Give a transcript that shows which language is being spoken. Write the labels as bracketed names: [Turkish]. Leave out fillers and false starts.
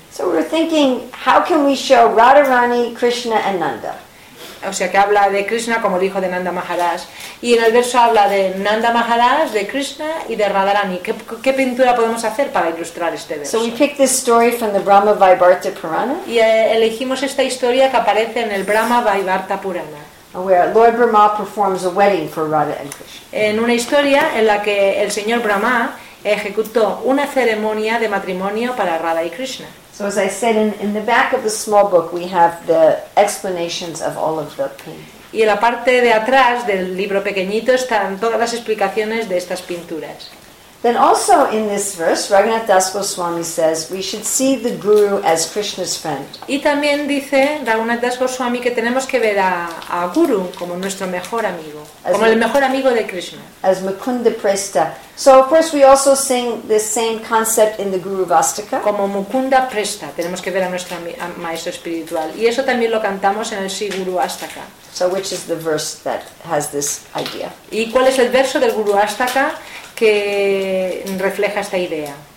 [English] So we're thinking, how can we show Radharani, Krishna, and Nanda? [Spanish] o sea, que habla de Krishna como el hijo de Nanda Maharaj. Y en el verso habla de Nanda Maharaj, de Krishna y de Radharani. ¿Qué pintura podemos hacer para ilustrar este verso? [English] So we picked this story from the Brahma Vaibharta Purana. [Spanish] Y elegimos esta historia que aparece en el Brahma Vaibharta Purana. [English] Where Lord Brahma performs a wedding for Radha and Krishna. [Spanish] En una historia en la que el señor Brahma ejecutó una ceremonia de matrimonio para Radha y Krishna. [English] So as I said, in the back of the small book we have the explanations of all of the paintings. [Spanish] Y en la parte de atrás del libro pequeñito están todas las explicaciones de estas pinturas. [English] Then also in this verse, Raghunath Das Goswami says we should see the guru as Krishna's friend. [Spanish] Y también dice Raghunath Das Goswami que tenemos que ver a guru como nuestro mejor amigo, como el mejor amigo de Krishna. [English] As Mukunda Prestha. So of course we also sing this same concept in the Guru Vastika. [Spanish] Como Mukunda Prestha, tenemos que ver a nuestro maestro espiritual, y eso también lo cantamos en el Sri Guru Vastika. [English] So which is the verse that has this idea? [Spanish] ¿Y cuál es el verso del Guru Vastika que refleja esta idea?